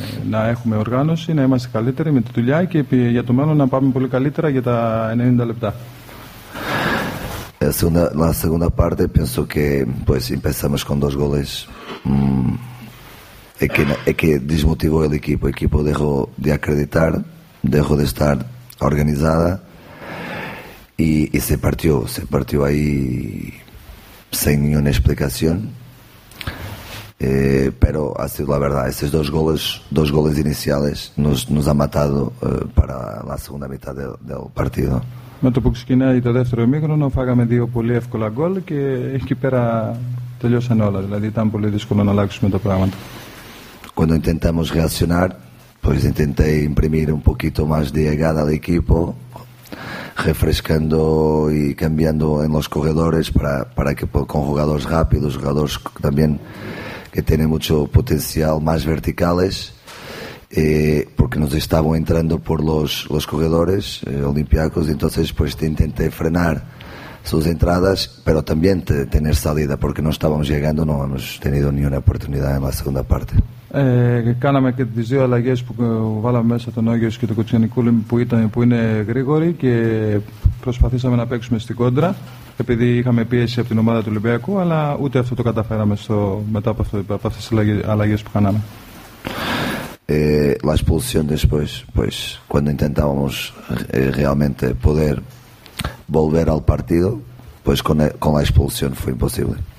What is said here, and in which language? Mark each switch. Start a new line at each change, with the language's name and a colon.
Greek: Να έχουμε οργάνωση, να είμαστε καλύτεροι με τη δουλειά και για το μέλλον να πάμε πολύ καλύτερα για τα 90 λεπτά.
Spanish: La segunda parte pienso que pues empezamos con dos goles que desmotivó el equipo. El equipo dejó de acreditar, dejó de estar organizada y se partió ahí sin ninguna explicación, pero ha sido la verdad. Estos dos goles iniciales nos han matado para la segunda mitad del partido.
Greek: Με το που ξεκινάει το δεύτερο ημίχρονο φάγαμε δύο πολύ εύκολα γκολ και εκεί πέρα τελειώσαν όλα, δηλαδή ήταν πολύ δύσκολο να αλλάξουμε τα πράγματα.
Spanish: Cuando intentamos reaccionar, pues intenté imprimir un poquito más de llegada al equipo, refrescando y cambiando en los corredores para que con jugadores rápidos, jugadores también que tienen mucho potencial, más verticales, porque nos estaban entrando por los corredores olimpiacos, entonces pues intenté frenar sus entradas, pero también tener salida, porque no estábamos llegando, no hemos tenido ni una oportunidad en la segunda parte.
Greek: Κάναμε και τις δύο αλλαγές που βάλαμε μέσα τον Όγιος και τον Κουτσιανικούλη που είναι γρήγοροι και προσπαθήσαμε να παίξουμε στην κόντρα επειδή είχαμε πίεση από την ομάδα του Ολυμπιακού, αλλά ούτε αυτό το καταφέραμε μετά από αυτές τις αλλαγές που κάναμε.
Spanish: La expulsión después, pues cuando intentábamos realmente poder volver al partido, pues con la expulsión fue imposible.